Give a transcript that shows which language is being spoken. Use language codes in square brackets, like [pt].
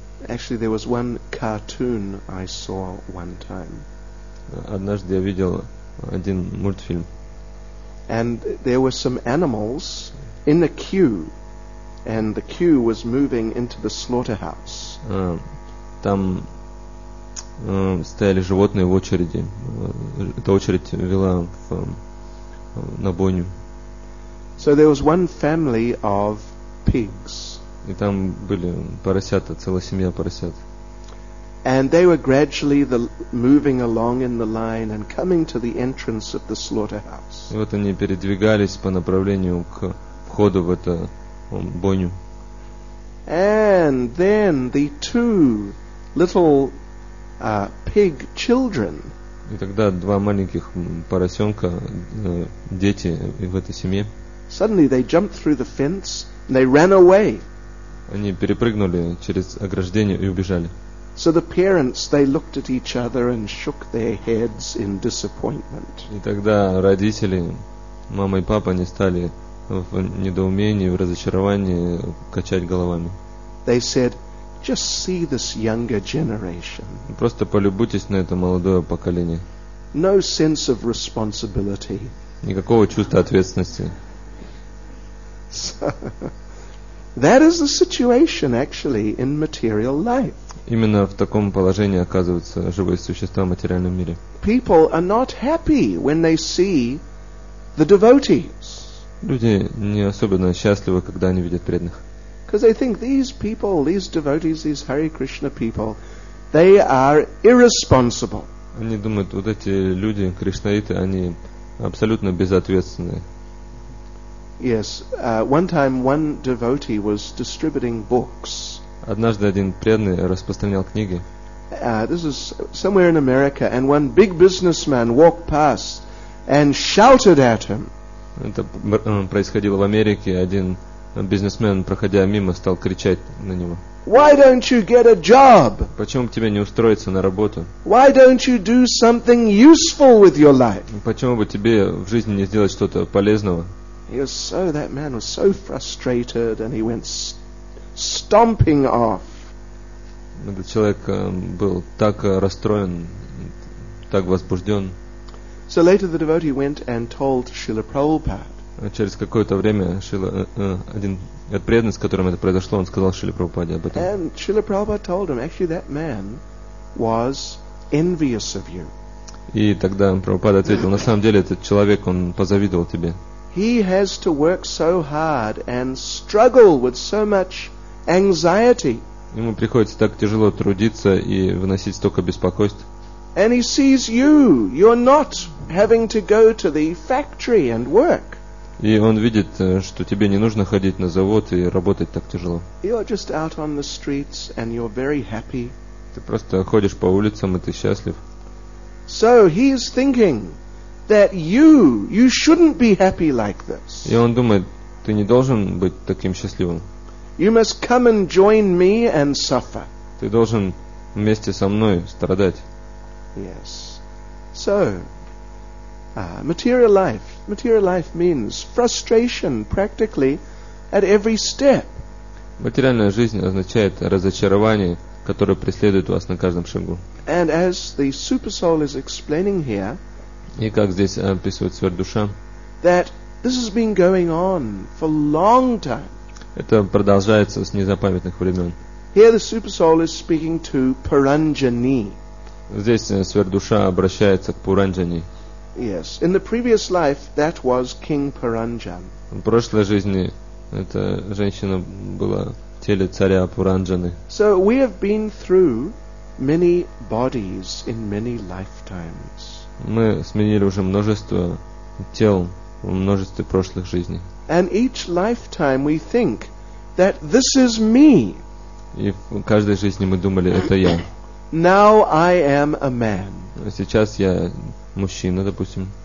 [en] Actually, there was one cartoon I saw one time. [ru] Однажды я видел один мультфильм. [en] And there were some animals in a queue, and the queue was moving into the slaughterhouse. [ru] Там стояли животные в очереди. Эта очередь вела на бойню. [en] So there was one family of pigs. [ru] И там были поросята, целая семья поросят. [en] And they were gradually moving along in the line and coming to the entrance of the slaughterhouse. [ru] И вот они передвигались по направлению к входу в эту бойню. [en] And then the two little pig children. [ru] И тогда два маленьких поросенка, дети в этой семье. [en] Suddenly they jumped through the fence and they ran away. [ru] Они перепрыгнули через ограждение и убежали. [en] So the parents, they looked at each other and shook their heads in disappointment. [ru] И тогда родители мама и папа не стали в недоумении, в разочаровании качать головами. [en] They said, just see this younger generation. [ru] Просто полюбуйтесь на это молодое поколение. [en] No sense of responsibility. [ru] Никакого чувства ответственности. [en] That is the situation actually in material life. [ru] Именно в таком положении оказываются живые существа в материальном мире. [en] People are not happy when they see the devotees. [ru] Люди не особенно счастливы, когда они видят преданных. [en] Because they think these people, these devotees, these Hare Krishna people, they are irresponsible. [ru] Они думают, вот эти люди, кришнаиты, они абсолютно безответственные. [en] Yes, one time one devotee was distributing books. [ru] Однажды один преданный распространял книги. [en] This is somewhere in America, and one big businessman walked past and shouted at him. [ru] Это происходило в Америке. Один бизнесмен, проходя мимо, стал кричать на него. [en] Why don't you get a job? [ru] Почему тебе не устроиться на работу? [en] Why don't you do something useful with your life? [ru] Почему бы тебе в жизни не сделать что-то полезного? [en] That man was so frustrated, and he went stomping off. [ru] Этот человек был так расстроен, так возбужден. [en] So later the devotee went and told Srila Prabhupada. [ru] Через какое-то время один преданный, с которым это произошло, он сказал Шриле Прабхупаде об этом. [en] And Srila Prabhupada told him, actually that man was envious of you. [ru] И тогда Прабхупада ответил, на самом деле этот человек, он позавидовал тебе. [en] He has to work so hard and struggle with so much anxiety. [ru] Ему приходится так тяжело трудиться и выносить столько беспокойств. [en] And he sees you, you're not having to go to the factory and work. [ru] И он видит, что тебе не нужно ходить на завод и работать так тяжело. [en] You're just out on the streets and you're very happy. [ru] Ты просто ходишь по улицам и ты счастлив. [en] So he is thinking that you shouldn't be happy like this. [ru] И он думает, ты не должен быть таким счастливым. [en] You must come and join me and suffer. [ru] Ты должен вместе со мной страдать. [en] Yes. So, material life. Material life means frustration practically at every step. [ru] Материальная жизнь означает разочарование, которое преследует вас на каждом шагу. [en] And as the super soul is explaining here, [ru] и как здесь описывает Сверхдуша, [en] that this has been going on for long time. [ru] Это продолжается с незапамятных времен. [en] Here the super soul is speaking to Paranjani. [ru] Здесь Сверхдуша обращается к Паранджани. [en] Yes, in the previous life that was King Paranjan. [ru] В прошлой жизни эта женщина была в теле царя Паранджаны. [en] So we have been through many bodies in many lifetimes. [ru] Мы сменили уже множество тел в множестве прошлых жизней. [en] And each lifetime we think that this is me. [ru] И в каждой жизни мы думали, это я. [en] Now I am a man. [ru] Сейчас я мужчина, допустим.